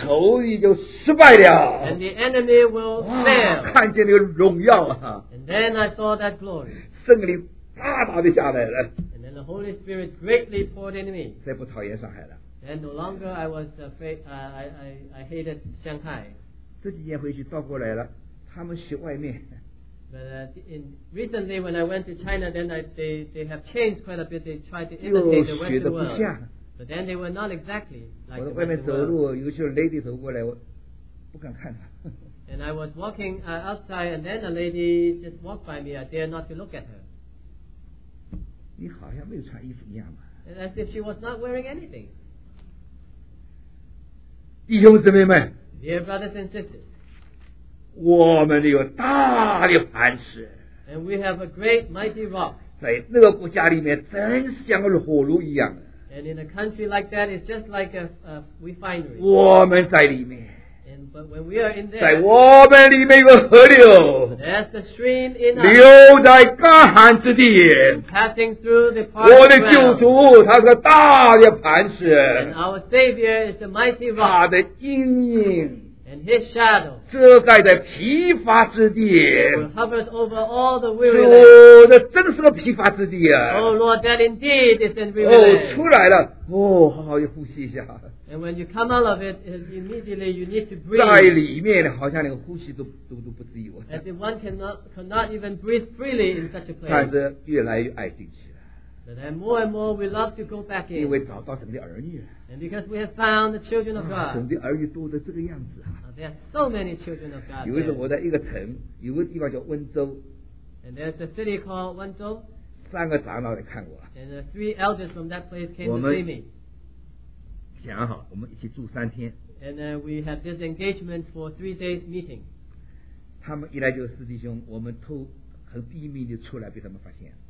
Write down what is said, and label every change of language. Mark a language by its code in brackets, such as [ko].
[zh] 仇敌就失败了, [en] and the enemy will fail. [zh] 看见那个荣耀, [en] and then I saw that glory. [zh] 圣灵大大的下来了, [en] the Holy Spirit greatly poured into me. [zh] 再不讨厌上海了, [en] and no longer I was afraid, I hated Shanghai. [zh] 这几年回去倒过来了, 他们学外面, [en] but recently when I went to China, then they have changed quite a bit. They tried to imitate the Western world, but then they were not exactly like the Western world. [zh] 我在外面走路有些lady走过来, 我不敢看她, [en] and I was walking outside, and then a lady just walked by me. I dared not to look at her. [zh] 你好像没有穿衣服一样嘛。 [en] As if she was not wearing anything. [zh] 弟兄姊妹们 [en] ，Dear brothers and sisters， [zh] 我们有大的磐石。 [en] And we have a great, mighty rock. [zh] 在那个国家里面，真像火炉一样。 [en] And in a country like that, it's just like a refinery. [zh] 我们在里面。 [en] But when we are in there, [zh] 在我们里面有个河流 [en] there's a stream in us, [zh] 流在干旱之地 [en] passing through the parched [zh] 我的救主他是个大的磐石 [en] our Savior is a mighty rock [zh] 他的阴影 [en] and his shadow [zh] 遮盖在疲乏之地 [en] hovers over all the weary [zh] 主这真是个疲乏之地 [en] Oh Lord that indeed is in weary land [zh] 出来了、哦、好好地呼吸一下 [en] And when you come out of it, immediately you need to breathe. [zh] 在里面好像连呼吸都不自由。 [en] As if one cannot even breathe freely in such a place. [zh] 但是越来越爱进去了。 [en] But then more and more we love to go back in. [zh] 因为找到神的儿女。 [en] And because we have found the children of God. [zh] 神的儿女多得这个样子啊。 [en] There are so many children of God. [zh] 有一次我在一个城，有个地方叫温州。 [en] And there's a city called 温州。 [zh] 三个长老来看我。 [en] And the three elders from that place came to see me. [zh] 想好我们一起住三天 [en] and then we have this engagement for 3 days meeting [zh] 他们一来就是弟兄我们偷很秘密地出来被他们发现